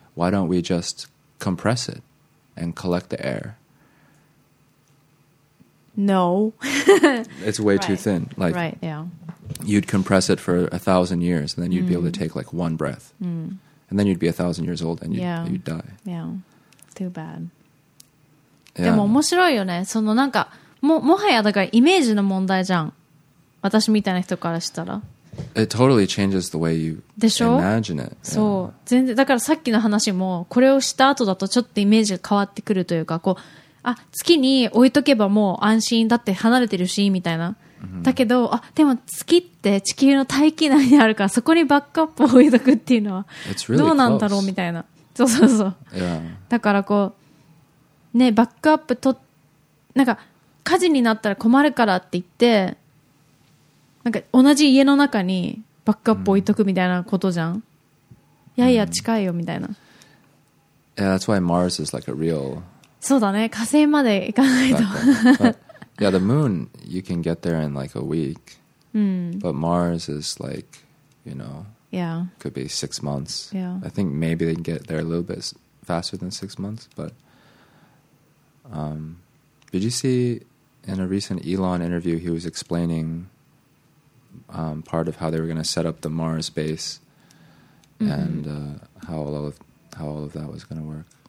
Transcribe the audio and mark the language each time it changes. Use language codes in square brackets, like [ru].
[en] Why don't we just compress it and collect the air? No. It's way too thin. Like, right, yeah. You'd compress it for 1,000 years and then you'd be able to take like one breath. And then you'd be 1,000 years old and you'd die. Yeah. Too bad. Yeah. [ja] でも面白いよね。そのなんか、もはやだからイメージの問題じゃん。私みたいな人からしたら。 [en] It totally changes the way you imagine it. [ja] そう。全然、だからさっきの話も、これをした後だとちょっとイメージが変わってくるというか、こう、あ、月に置いとけばもう安心だって離れてるし、みたいな。だけど、あ、でも月って地球の大気内にあるからそこにバックアップを置いとくっていうのはどうなんだろうみたいな。そうそうそう。 [en] Yeah. [ja] だからこうね、バックアップとなんか火事になったら困るからって言ってなんか同じ家の中にバックアップ置いとくみたいなことじゃん。いやいや近いよみたいな。 [en] Yeah, that's why Mars is like a real. [ja] そうだね、火星まで行かないと。 [en] Yeah, the moon, you can get there in like a week. But Mars is like, you know, yeah, could be 6 months. Yeah, I think maybe they can get there a little bit faster than 6 months. But did you see in a recent Elon interview, he was explaining part of how they were going to set up the Mars base and how all of that was going to work.